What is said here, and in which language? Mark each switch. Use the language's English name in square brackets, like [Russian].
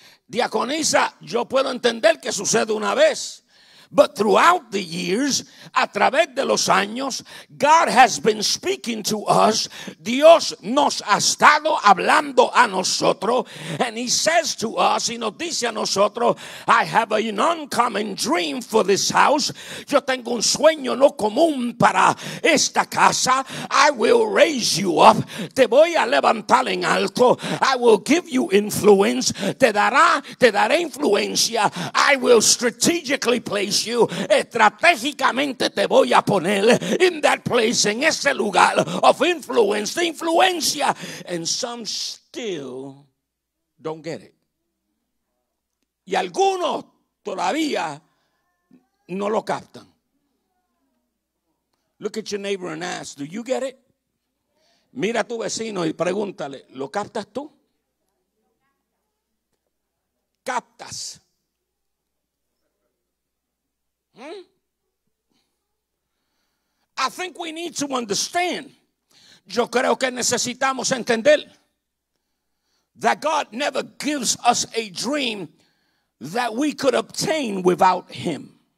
[Spanish] Diaconisa, yo puedo entender que sucede una vez. [English] But throughout the years, [Spanish] a través de los años, [English] God has been speaking to us. [Spanish] Dios nos ha estado hablando a nosotros. [English] And he says to us, [Spanish] y nos dice a nosotros, [English] I have an uncommon dream for this house. [Spanish] Yo tengo un sueño no común para esta casa. [English] I will raise you up. [Spanish] Te voy a levantar en alto. [English] I will give you influence. [Spanish] Te daré influencia. [English] I will strategically place you, [Spanish] estratégicamente te voy a poner [English] in that place, [Spanish] en ese lugar [English] of influence, [Spanish] de influencia. [English] And some still don't get it. [Spanish] Y algunos todavía no lo captan. [English] Look at your neighbor and ask, do you get it? [Spanish] Mira a tu vecino y pregúntale, ¿lo captas tú? ¿Captas? [English] I think we need to understand. [Spanish] Yo creo que necesitamos entender [English] that God never gives us a dream that we could obtain without him.